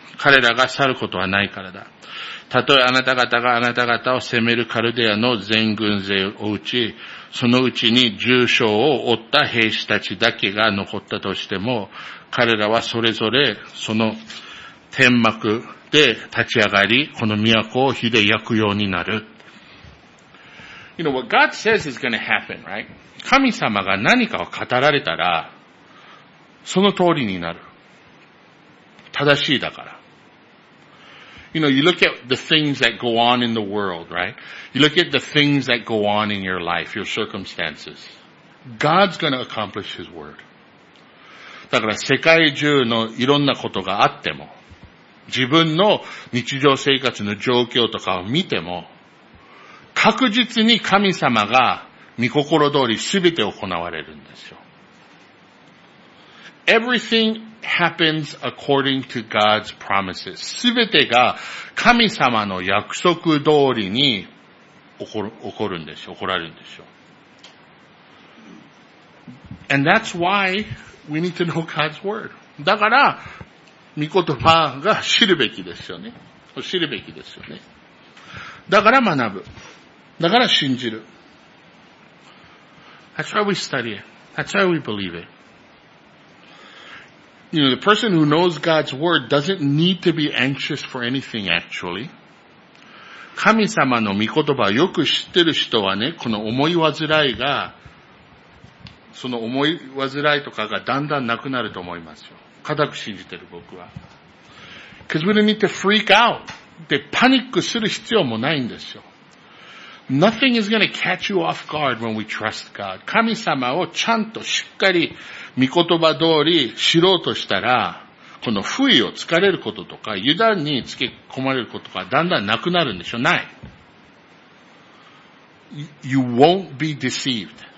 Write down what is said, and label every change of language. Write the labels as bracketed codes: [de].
[ja] 彼らが去ることはないからだ。たとえあなた方があなた方を攻めるカルデアの全軍勢を撃ち、そのうちに重傷を負った兵士たちだけが残ったとしても、彼らはそれぞれその天幕で立ち上がり、この都を火で焼くようになる。 [en] You know, what God says is going to happen, right? [ja] 神様が何かを語られたら、その通りになる。正しいだから。 [en] You know, you look at the things that go on in the world, right? You look at the things that go on in your life, your circumstances. God's going to accomplish His word. [ja] だから世界中のいろんなことがあっても、自分の日常生活の状況とかを見ても、確実に神様が御心通りすべて行われるんですよ。 [en] Everything happens according to God's promises. [ja] すべてが神様の約束通りに起こるんですよ。起こられるんですよ。 [en] And that's why we need to know God's word. [ja] だから、御言葉が知るべきですよね。知るべきですよね。だから学ぶ。だから信じる。 [en] That's why we study it. That's why we believe it. You know, the person who knows God's word doesn't need to be anxious for anything, actually. [ja] 神様の御言葉をよく知ってる人はね、この思い煩いが、その思い煩いとかがだんだんなくなると思いますよ。固く信じてる僕は。 [en] Because we don't need to freak out. [ja] で、パニックする必要もないんですよ。 [en] Nothing is going to catch you off guard when we trust God. [ja] 神様をちゃんとしっかり御言葉通り知ろうとしたら、この不意をつかれることとか、油断につけ込まれることがだんだんなくなるんでしょ？ない。 [en] You won't be deceived.